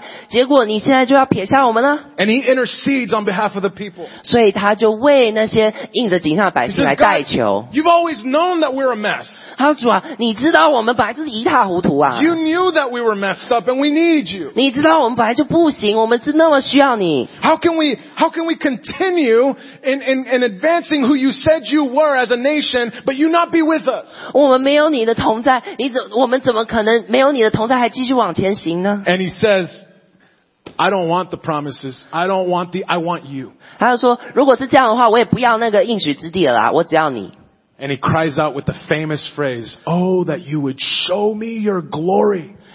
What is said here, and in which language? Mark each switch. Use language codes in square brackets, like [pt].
[zh] 你把我从我的家一切安说日子这样带出来，结果你现在就要撇下我们了？ [en] And he intercedes on behalf of the people. [zh] 所以他就为那些应着景象的百姓来代求。 [en] You've always known that we're a mess. [zh] 他说主啊，你知道我们本来就是一塌糊涂啊。 [en] You knew that we were messed up, and we need you. [zh] 你知道我们本来就不行，我们是那么需要你。 [en] How can we continue in advancing who you said you were as a nation, but you not be with us? [zh] 我们没有你的同在，我们怎么可能没有你的同在还继续往前行呢？ [en] And he says, I don't want the promises. I don't want the. I want you. [zh] 他就说，如果是这样的话，我也不要那个应许之地了啦，我只要你。 [en] And he cries out with the famous phrase, "Oh, that you would show me your glory."